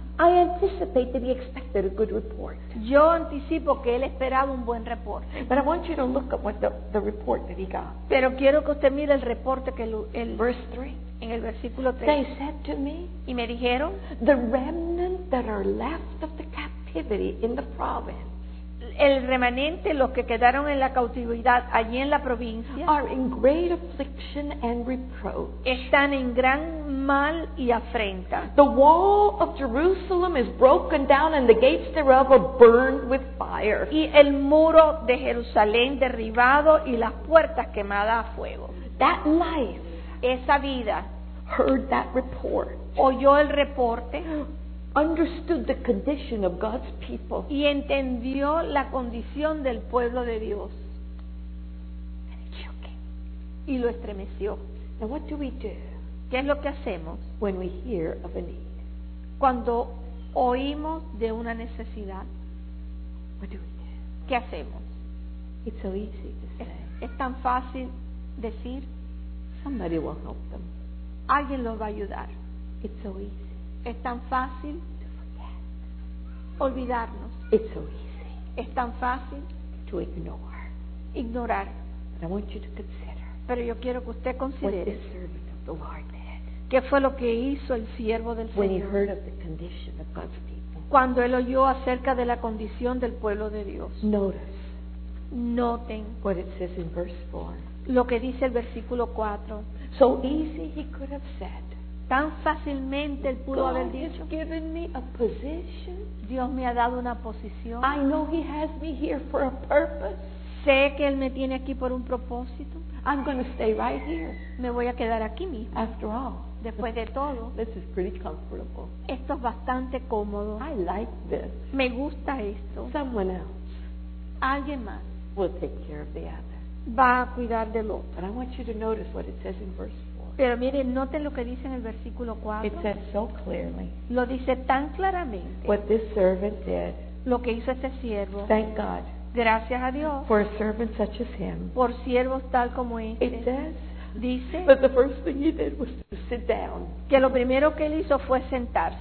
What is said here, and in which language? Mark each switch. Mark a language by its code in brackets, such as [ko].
[en] I anticipate that he expected a good report. [es] Yo anticipo que él esperaba un buen reporte. [en] But I want you to look at what the report that he got. [es] Pero quiero que usted mire el reporte que el [en] verse 3. [es] En el versículo 3. [en] They said to me. [es] Y me dijeron. [en] The remnant that are left of the captivity in the province. [es] El remanente, los que quedaron en la cautividad allí en la provincia, [en] are in great affliction and reproach. [es] Están en gran mal y afrenta. [en] The wall of Jerusalem is broken down and the gates thereof are burned with fire. [es] Y el muro de Jerusalén derribado y las puertas quemadas a fuego. [en] That life, [es] esa vida, [en] heard that report. [es] Oyó el reporte. [en] Understood the condition of God's people. [es] Y entendió la condición del pueblo de Dios. [en] And it shook him. [es] Y lo estremeció. [en] Now what do we do? [es] ¿Qué es lo que hacemos? [en] When we hear of a need. [es] Cuando oímos de una necesidad. [en] What do we do? [es] ¿Qué hacemos? [en] It's so easy to say. [es] Es tan fácil decir. [en] Somebody will help them. [es] Alguien los va a ayudar. [en] It's so easy. [es] Es tan fácil olvidarnos. [en] It's so easy. [es] Es tan fácil [en] to ignore. [es] Ignorar. [en] But I want you to consider. [es] Pero yo quiero que usted considere. [en] What the servant of the Lord did. [es] ¿Qué fue lo que hizo el siervo del Señor? [en] When he heard of the condition of God's people. [es] Cuando él oyó acerca de la condición del pueblo de Dios. [en] Notice. [es] Noten. [en] What it says in verse 4. [es] Lo que dice el versículo 4. [en] So easy he could have said. [es] Tan fácilmente él pudo [en] God [es] haber dicho. [en] Has given me a position. [es] Dios me ha dado una posición. [en] I know he has me here for a purpose. [es] Sé que él me tiene aquí por un propósito. [en] I'm going to stay right here. [es] Me voy a quedar aquí mismo. [en] After all, [es] después de todo, [en] this is pretty comfortable. [es] Esto es bastante cómodo. [en] I like this. [es] Me gusta esto. [en] Someone else. [es] Alguien más. [en] We'll take care of the other. [es] va a cuidar de Lot. [en] But I want you to notice what it says in verse 4. [es] Pero miren, noten lo que dice en el versículo 4. [en] It says so clearly. [es] Lo dice tan claramente. [en] What this servant did. [es] Lo que hizo este siervo. [en] Thank God. [es] Gracias a Dios. [en] For a servant such as him. [es] Por siervos tal como este. [en] It says. [es] Dice. [en] But the first thing he did was to sit down. [es] Que lo primero que él hizo fue sentarse.